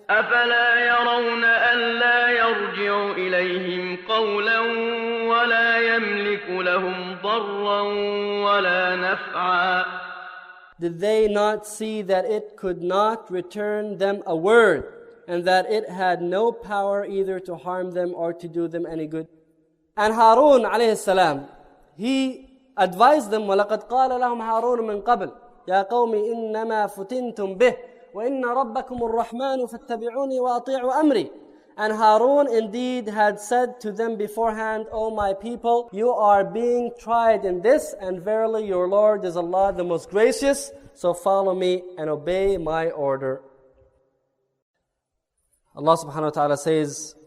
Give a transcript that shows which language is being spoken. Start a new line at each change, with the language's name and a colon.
Arabic: أَفَلَا يَرَوْنَ أَلَّا يَرْجِعُ إِلَيْهِمْ قَوْلًا وَلَا يَمْلِكُ لَهُمْ ضَرًّا وَلَا نَفْعًا.
English: Did they not see that it could not return them a word, and that it had no power either to harm them or to do them any good? And Harun alayhi salam, he advised them,
Arabic: وَلَقَدْ قَالَ لَهُمْ هَارُونُ مِنْ قَبْلِ يَا قَوْمِ إِنَّمَا فُتِنْتُمْ بِهِ وَإِنَّ رَبَّكُمُ الرَّحْمَنُ فَاتَّبِعُونِ وَأَطِيعُوا أَمْرِي.
English: And Harun indeed had said to them beforehand, O my people, you are being tried in this, and verily your Lord is Allah the most gracious, so follow me and obey my order. Allah subhanahu wa ta'ala says,